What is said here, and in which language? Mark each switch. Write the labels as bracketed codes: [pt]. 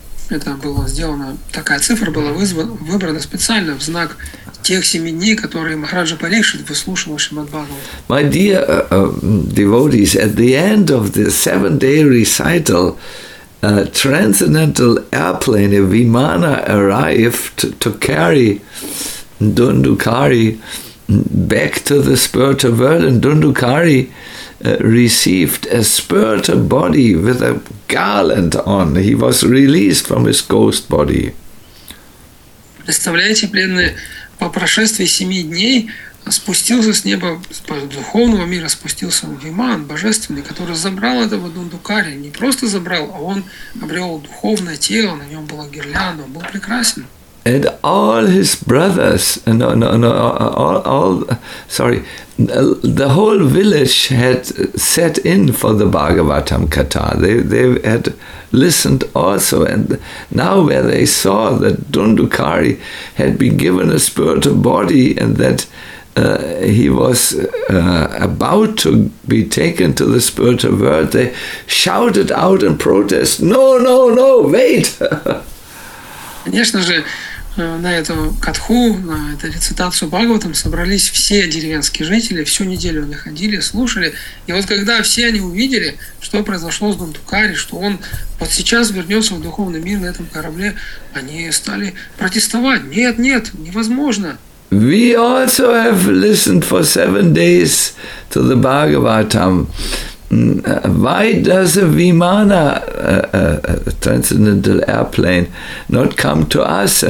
[ru] Это было сделано, такая цифра была выбрана специально в знак тех 7 дней, которые Махараджа Парикшит выслушивал Шримад-Бхагаватам. [en] My dear devotees, at the end of the 7-day recital, a transcendental airplane, a Vimana, arrived to carry Dundukari back to the spiritual world, and Dundukari received a spiritual body with a garland on. He was released from his ghost body. [ru] Представляете, пленные, по прошествии 7 дней спустился с неба, с духовного мира спустился Виман, божественный, который забрал этого Дундукари. Не просто забрал, а он обрел духовное тело, на нем была гирлянда, он был прекрасен. [en] And all his brothers, the whole village had set in for the Bhagavatam Katha. They had listened also, and now where they saw that Dundukari had been given a spiritual body and that he was about to be taken to the spiritual world, they shouted out in protest, no, wait! [ru] Конечно же, на эту катху, на эту рецитацию Бхагаватам собрались все деревенские жители, всю неделю они ходили, слушали. И вот когда все они увидели, что произошло с Дундукари, что он вот сейчас вернется в духовный мир на этом корабле, они стали протестовать. Нет, невозможно. [en] We also have listened for 7 days to the Bhagavatam. Why does a Vimana, a transcendental airplane, not come to us?